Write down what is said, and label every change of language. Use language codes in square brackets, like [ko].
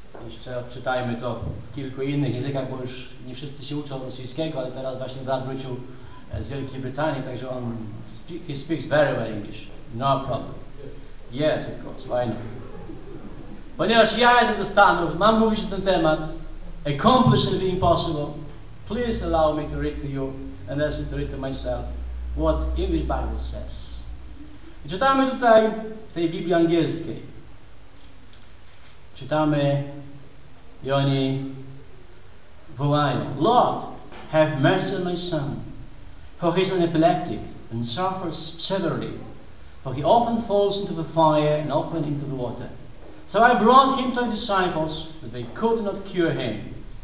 [pl] Jeszcze odczytajmy to w kilku innych językach, bo już nie wszyscy się uczą rosyjskiego, ale teraz właśnie brat wrócił z Wielkiej Brytanii, także on [en] he speaks very well English. No problem. Yes, of course. Why not? [pl] Ponieważ ja jadę do Stanów, mam mówić o ten temat. [en] Accomplishing the impossible, please allow me to read to you and also to read to myself what English Bible says. [pl] I czytamy tutaj w tej Biblii angielskiej. Czytamy i oni wołają: [en] Lord, have mercy on my son, for he is an epileptic and suffers severely, for he often falls into the fire and often into the water. So I brought him to the disciples, but they could not cure him.